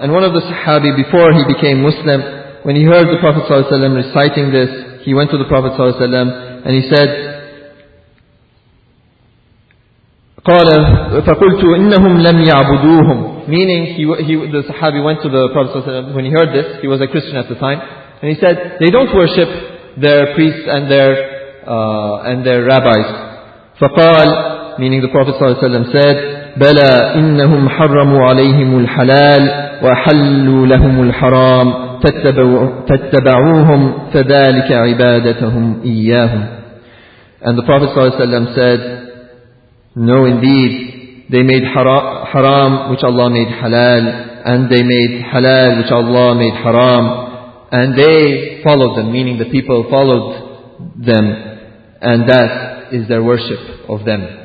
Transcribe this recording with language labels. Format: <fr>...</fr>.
<en>And one of the Sahabi, before he became Muslim, when he heard the Prophet ﷺ reciting this, he went to the Prophet ﷺ and he said,</en> <ar>قَالَ فَقُلْتُ إِنَّهُمْ لَمْ يَعْبُدُوهُمْ.</ar> <en>Meaning, the Sahabi went to the Prophet ﷺ when he heard this, he was a Christian at the time, and he said, they don't worship their priests and their rabbis.</en> <ar>فقال,</ar> <en>meaning the Prophet ﷺ said,</en> <ar>بَلَا إِنَّهُمْ حَرَّمُوا عَلَيْهِمُ الْحَلَالِ وَحَلُّوا لَهُمُ الْحَرَامِ فَاتَّبَعُوهُمْ فَذَلِكَ عِبَادَتَهُمْ إِيَّاهُمْ.</ar> <en>And the Prophet ﷺ said, no, indeed, they made haram which Allah made halal, and they made halal which Allah made haram, and they followed them, meaning the people followed them, and that is their worship of them.</en>